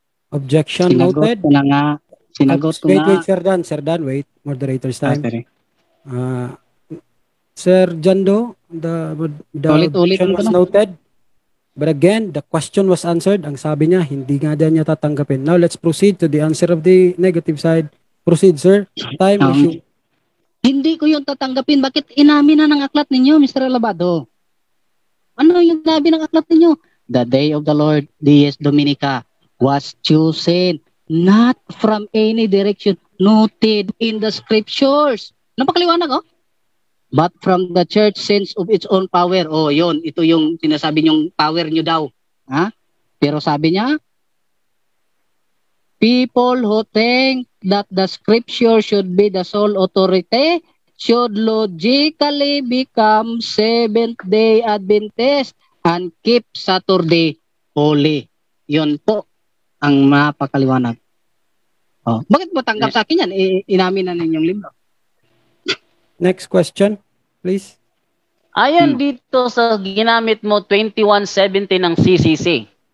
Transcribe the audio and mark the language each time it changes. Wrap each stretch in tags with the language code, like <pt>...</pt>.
<en>Objection</en> <tl>sinagot</tl> <en>noted.</en> <tl>Sinagot ko na.</tl> <en>Wait, Sir Dan, wait. Moderator's time. Sir Jando, the objection was noted. But again, the question was answered.</en> <tl>Ang sabi niya, hindi nga din niya tatanggapin.</tl> <en>Now, let's proceed to the answer of the negative side. Proceed, sir. Time issue.</en> <tl>Hindi ko yung tatanggapin. Bakit inamin na ng aklat ninyo, Mr. Alabado? Ano yung sabi ng aklat ninyo?</tl> <en>The day of the Lord, Dies Dominica, was chosen not from any direction noted in the scriptures.</en> <tl>Napakaliwanag, oh?</tl> <en>But from the church since of its own power.</en> <tl>Oh, yun. Ito yung sinasabi niyong power niyo daw. Ha? Pero sabi niya,</tl> <en>people who think that the scripture should be the sole authority should logically become Seventh-day Adventist and keep Saturday holy.</en> <tl>Yun po ang mapakaliwanag. Oh, bakit mo tanggap sa akin yan? Inamin na ninyong libro.</tl> <en>Next question, please.</en> <tl>Ayon dito sa ginamit mo 21:17 ng CCC.</tl>